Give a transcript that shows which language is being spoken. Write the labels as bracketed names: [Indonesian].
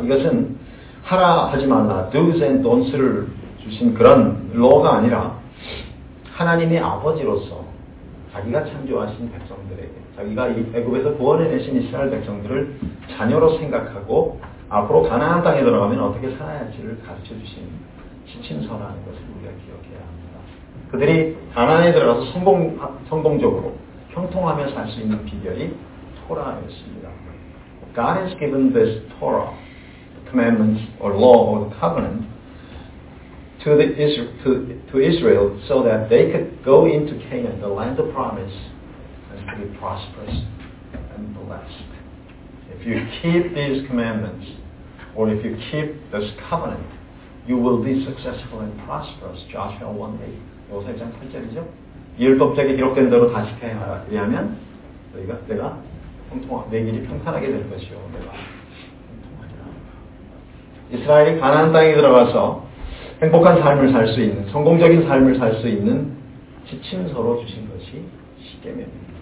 [Korean] 이것은 하라 하지 말라 [English] do's and don'ts [Korean] 를 주신 그런 law가 아니라 하나님의 아버지로서 자기가 창조하신 백성들에게 자기가 애굽에서 구원해내신 이스라엘 백성들을 자녀로 생각하고 앞으로 가나안 땅에 들어가면 어떻게 살아야 할지를 가르쳐주신 지침서라는 것을 우리가 기억해야 합니다. 그들이 가나안에 들어가서 성공적으로 형통하며 살 수 있는 비결이 토라였습니다. [English] God has given this Torah, the commandments or law or the covenant to Israel so that they could go into Canaan, the land of promise, and to be prosperous and blessed. If you keep these commandments or if you keep this covenant, you will be successful and prosperous. Joshua 1:8. [Korean] 요새 1장 8절이죠. 율법책에 기록된 대로 다 지켜야하면 너희가 내가 평통하게 내 길이 평탄하게 될 것이요 내가 평통하리라. 이스라엘이 가나안 땅에 들어가서 행복한 삶을 살 수 있는, 성공적인 삶을 살 수 있는 지침서로 주신 것이 십계명입니다.